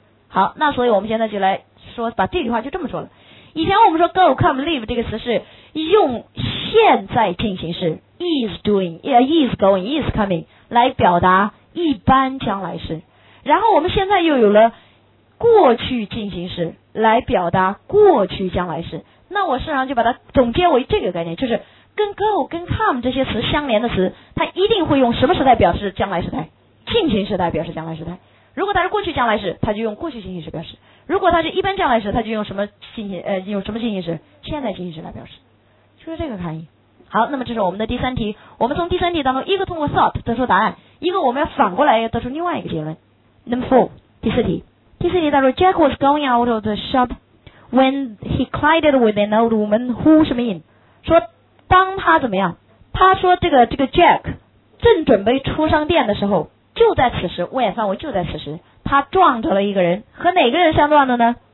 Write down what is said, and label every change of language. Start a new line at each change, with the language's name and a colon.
Chinese: 好，那所以我们现在就来说，把这句话就这么说了。以前我们说 go come leave 这个词是用现在进行时
English: is doing is going is coming
Chinese: 来表达一般将来时，然后我们现在又有了过去进行时来表达过去将来时，那我实际上就把它总结为这个概念，就是跟 go 跟 come 这些词相连的词，它一定会用什么时态表示将来时态，进行时态表示将来时态。如果它是过去将来时，它就用过去进行时表示；如果它是一般将来时，它就用什么进行用什么进行时，现在进行时来表示。就是这个含义。好，那么这是我们的第三题。我们从第三题当中，一个通过 thought 得出答案，一个我们要反过来得出另外一个结论。
English: Number four，
Chinese: 第四题他说 ，
English: Jack was going out of the shop when he collided with an old woman who
Chinese: 什么 in 说。当他怎么样，他说这个 Jack 正准备出商店的时候，就在此时，我也范围就在此时，他撞着了一个人，和哪个人相撞的呢？